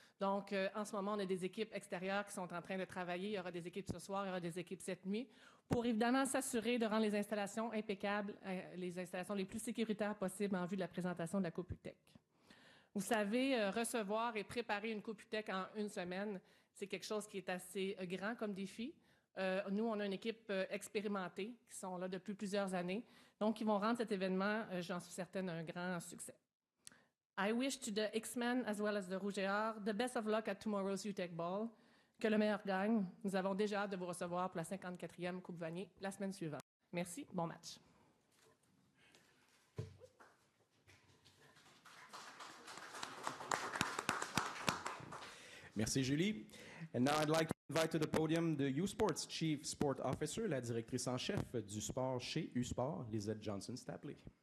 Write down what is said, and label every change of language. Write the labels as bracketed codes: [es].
[fr] Donc, en ce moment, on a des équipes extérieures qui sont en train de travailler. Il y aura des équipes ce soir, il y aura des équipes cette nuit, pour évidemment s'assurer de rendre les installations impeccables, les installations les plus sécuritaires possibles en vue de la présentation de la Coupe Uteck. Vous savez, recevoir et préparer une Coupe Uteck en une semaine, c'est quelque chose qui est assez grand comme défi. Nous, on a une équipe expérimentée qui sont là depuis plusieurs années. Donc, ils vont rendre cet événement, j'en suis certaine, un grand succès. [en] I wish to the X-Men as well as the Rouge et Or the best of luck at tomorrow's Uteck Bowl. [fr] Que le meilleur gagne. Nous avons déjà hâte de vous recevoir pour la 54e Coupe Vanier la semaine suivante. Merci. Bon match. Merci, Julie. [en] And now I'd like to invite to the podium the U Sports Chief Sport Officer, [fr] la directrice en chef du sport chez U Sport, [en] Lisette Johnson Stapley.